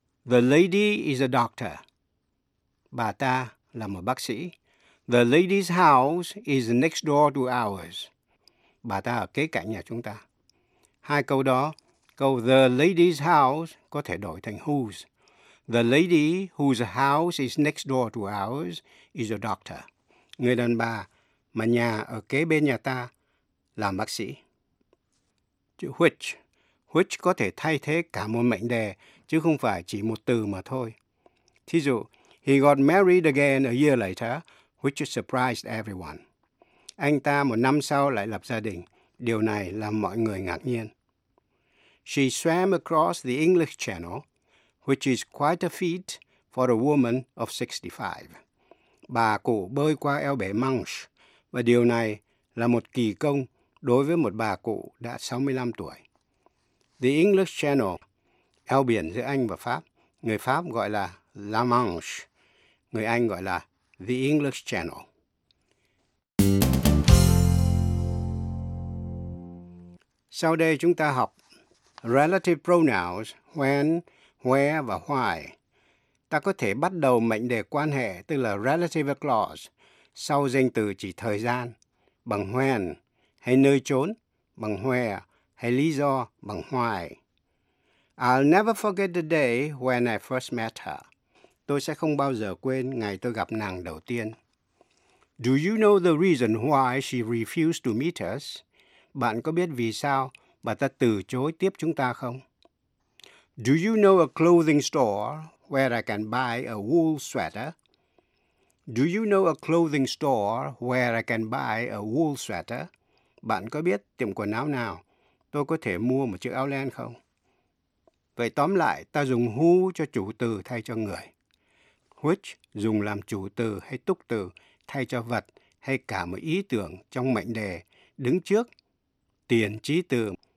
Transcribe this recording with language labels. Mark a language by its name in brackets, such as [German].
[English] The lady is a doctor. [Vietnamese] Bà ta là một bác sĩ. [English] The lady's house is next door to ours. [Vietnamese] Bà ta ở kế cạnh nhà chúng ta. Hai câu đó Câu [English] the lady's house [Vietnamese] có thể đổi thành whose. [English] The lady whose house is next door to ours is a doctor. [Vietnamese] Người đàn bà mà nhà ở kế bên nhà ta là bác sĩ. Chữ which. Which có thể thay thế cả một mệnh đề, chứ không phải chỉ một từ mà thôi. Thí dụ, [English] he got married again a year later, which surprised everyone. [Vietnamese] Anh ta một năm sau lại lập gia đình. Điều này làm mọi người ngạc nhiên. [English] She swam across the English Channel, which is quite a feat for a woman of 65. [Vietnamese] Bà cụ bơi qua eo bể Manche, và điều này là một kỳ công đối với một bà cụ đã 65 tuổi. The English Channel, eo biển giữa Anh và Pháp, người Pháp gọi là La Manche, người Anh gọi là The English Channel. Sau đây chúng ta học relative pronouns when, where và why. Ta có thể bắt đầu mệnh đề quan hệ, tức là relative clause, sau danh từ chỉ thời gian, bằng when hay nơi chốn, bằng where hay lý do, bằng why. [English] I'll never forget the day when I first met her. [Vietnamese] Tôi sẽ không bao giờ quên ngày tôi gặp nàng đầu tiên. [English] Do you know the reason why she refused to meet us? [Vietnamese] Bạn có biết vì sao bà ta từ chối tiếp chúng ta không? [English] Do you know a clothing store where I can buy a wool sweater? Do you know a clothing store where I can buy a wool sweater? [Vietnamese] Bạn có biết tiệm quần áo nào tôi có thể mua một chiếc áo len không? Vậy tóm lại, ta dùng who cho chủ từ thay cho người. Which dùng làm chủ từ hay túc từ thay cho vật hay cả một ý tưởng trong mệnh đề đứng trước tiền trí từ.